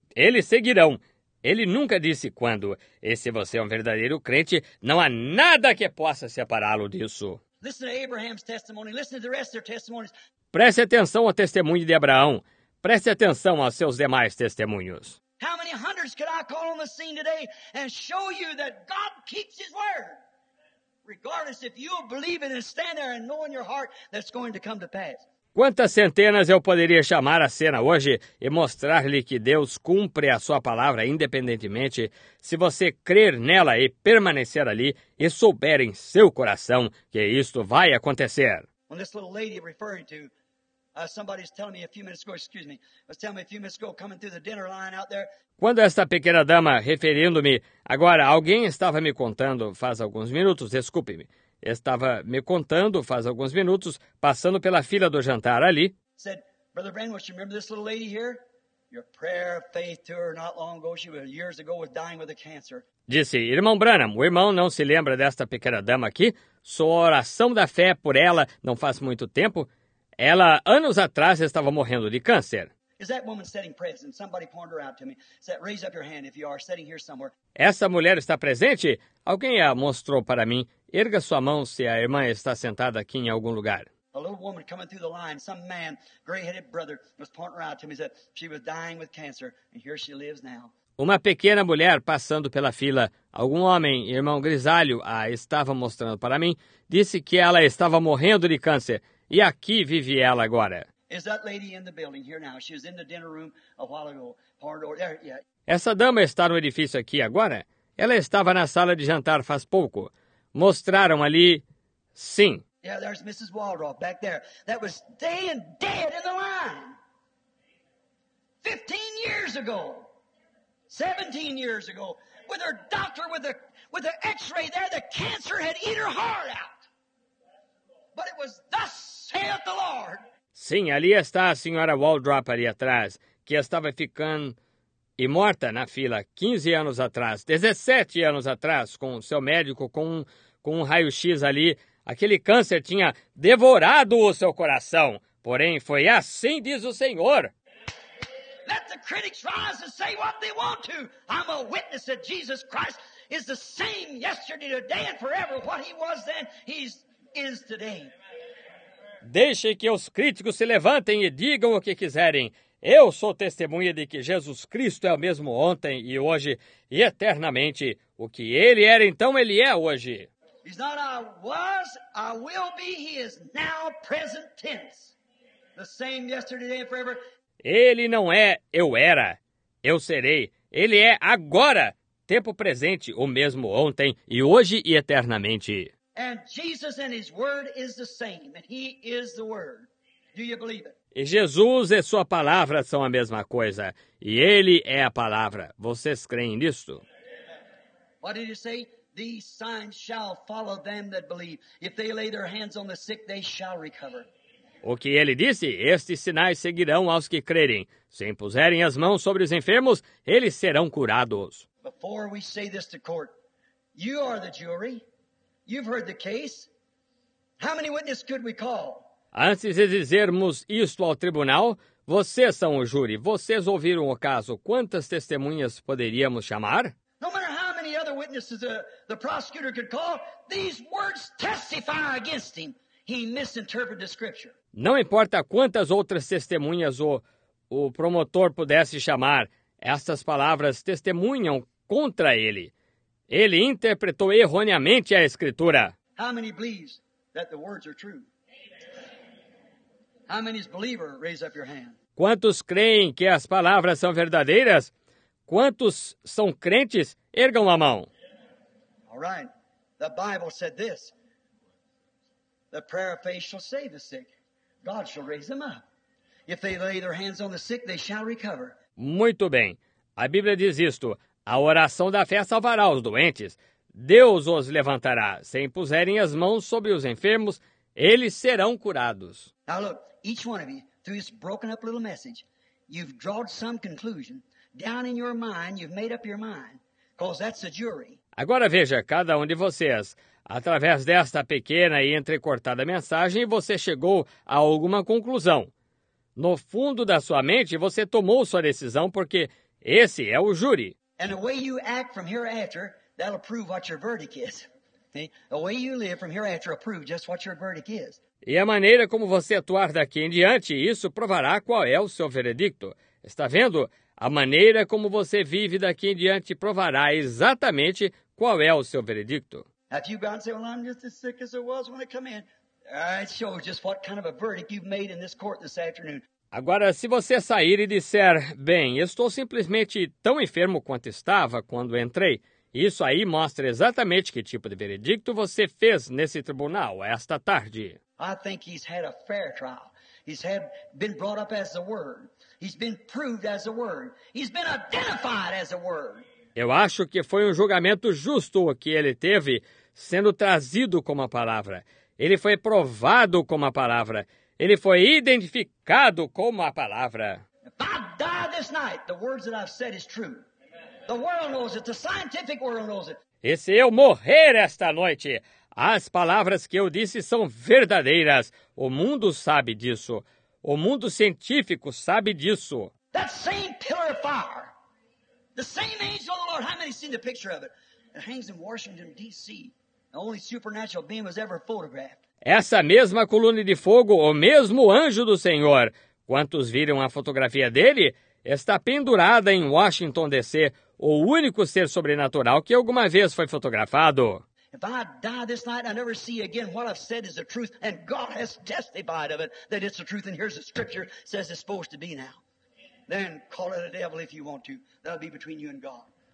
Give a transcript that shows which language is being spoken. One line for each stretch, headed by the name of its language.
Portuguese: Eles seguirão. Ele nunca disse quando. E se você é um verdadeiro crente, não há nada que possa separá-lo disso.
English: Listen to Abraham's testimony. Listen to the rest of their testimonies.
Portuguese: Preste atenção ao testemunho de Abraão. Preste atenção aos seus demais testemunhos.
English: How many hundreds could I call on the scene today and show you that God keeps his word? Regardless if you believe it and stand there and know in your heart that's going to come to pass.
Portuguese: Quantas centenas eu poderia chamar à cena hoje e mostrar-lhe que Deus cumpre a sua palavra independentemente se você crer nela e permanecer ali e souber em seu coração que isto vai acontecer?
English: When this little lady referring to, somebody was telling me a few minutes ago, excuse me, was telling me a few minutes ago coming through the dinner line out there.
Portuguese: Quando esta pequena dama, referindo-me, agora alguém estava me contando faz alguns minutos, desculpe-me. Estava me contando faz alguns minutos, passando pela fila do jantar ali.
English: Said, Brother Brandon, don't you remember this little lady here? Your prayer of faith to her not long ago, she was years ago, was dying with a cancer.
Portuguese: Disse, irmão Branham, o irmão não se lembra desta pequena dama aqui? Sua oração da fé por ela não faz muito tempo? Ela, anos atrás, estava morrendo de câncer.
English: Is that woman sitting present? Somebody pointed her out to me. Said, raise up your hand if you are sitting here somewhere.
Portuguese: Essa mulher está presente? Alguém a mostrou para mim. Erga sua mão se a irmã está sentada aqui em algum lugar.
English: A little woman coming through the line, some man, gray-headed brother, was pointing her out to me. Said, she was dying with cancer, and here she lives now.
Portuguese: Uma pequena mulher passando pela fila, algum homem, irmão grisalho, a estava mostrando para mim, disse que ela estava morrendo de câncer, e aqui vive ela agora.
English: Is that lady in the building here now? She was in the dinner room a while ago.
Portuguese: Essa dama está no edifício aqui agora? Ela estava na sala de jantar faz pouco. Mostraram ali, sim.
English: Yeah, there's Mrs. Waldorf back there. That was staying dead in the line. 15 years ago. 17 years ago. With her doctor with the x-ray there, the cancer had eaten her heart out. But it was thus saith the Lord.
Portuguese: Sim, ali está a senhora Waldrop ali atrás, que estava ficando e morta na fila 15 anos atrás, 17 anos atrás, com o seu médico, com um raio-x ali. Aquele câncer tinha devorado o seu coração. Porém, foi assim, diz o Senhor.
English: Let the critics rise and say what they want to. I'm a witness that Jesus Christ is the same yesterday, today and forever. What he was then, he is today.
Portuguese: Deixe que os críticos se levantem e digam o que quiserem. Eu sou testemunha de que Jesus Cristo é o mesmo ontem e hoje e eternamente. O que ele era então, ele é hoje.
English: He's not I was, I will be, he is now present tense. The same yesterday and forever.
Portuguese: Ele não é eu era, eu serei. Ele é agora, tempo presente, o mesmo ontem e hoje e eternamente.
English: And Jesus and his word is the same, and he is the word. Do you believe it?
Portuguese: E Jesus e sua palavra são a mesma coisa, e ele é a palavra. Vocês creem nisto?
English: What did he say? These signs shall follow them that believe. If they lay their hands on the sick, they shall recover.
Portuguese: O que ele disse? Estes sinais seguirão aos que crerem. Se impuserem as mãos sobre os enfermos, eles serão curados.
English: Before we say this to court, you are the jury. You've heard the case. How many witnesses could we call?
Portuguese: Antes de dizermos isto ao tribunal, vocês são o júri. Vocês ouviram o caso. Quantas testemunhas poderíamos chamar?
English: No matter how many other witnesses the prosecutor could call, these words testify against him. He misinterpreted the scripture.
Portuguese: Não importa quantas outras testemunhas o promotor pudesse chamar, estas palavras testemunham contra ele. Ele interpretou erroneamente a Escritura.
English: How many believes that the words are true? How many believers raise up your hand?
Portuguese: Quantos creem que as palavras são verdadeiras? Quantos são crentes? Ergam a mão.
English: All right. The Bible said this. The prayer of faith shall save the sick. God shall raise them up. If they lay their hands on the sick, they shall recover.
Portuguese: Muito bem. A Bíblia diz isto. A oração da fé salvará os doentes. Deus os levantará. Se impuserem as mãos sobre os enfermos, eles serão curados.
English: Now look, each one of you, through this broken up little message, you've drawn some conclusion. Down in your mind, you've made up your mind, because that's the jury.
Portuguese: Agora veja, cada de vocês, através desta pequena e entrecortada mensagem, você chegou a alguma conclusão. No fundo da sua mente, você tomou sua decisão, porque esse é o júri.
English: And the way you act from hereafter, that'll prove what your verdict is. The way you live from hereafter will prove just what your verdict is.
Portuguese: E a maneira como você atuar daqui em diante, isso provará qual é o seu veredicto. Está vendo? A maneira como você vive daqui em diante provará exatamente qual é o seu veredicto.
English: If you go and say, well, I'm just as sick as I was when I come in, it shows just what kind of a verdict you've made in this court this afternoon.
Portuguese: Agora, se você sair e disser, bem, estou simplesmente tão enfermo quanto estava quando entrei, isso aí mostra exatamente que tipo de veredicto você fez nesse tribunal esta tarde.
English: I think he's had a fair trial. He's had been brought up as the word. He's been proved as the word. He's been identified as the word.
Portuguese: Eu acho que foi um julgamento justo o que ele teve, sendo trazido como a palavra. Ele foi provado como a palavra. Ele foi identificado como a palavra.
English: If I die this night, the words that I've said is true. The world knows it. The scientific world knows it.
Portuguese: E se eu morrer esta noite, as palavras que eu disse são verdadeiras. O mundo sabe disso. O mundo científico sabe disso.
English: That same pillar of fire. The same angel of the Lord. How many seen the picture of it? It hangs in Washington, D.C. The only supernatural being was ever photographed.
Portuguese: Essa mesma coluna de fogo, o mesmo anjo do Senhor. Quantos viram a fotografia dele? Está pendurada em Washington, D.C., o único ser sobrenatural que alguma vez foi fotografado.
English: If I die this night, I never see again what I've said is the truth, and God has testified of it, that it's the truth, and here's the scripture, says it's supposed to be now. Then call it a devil if you want to. That'll be between you and God.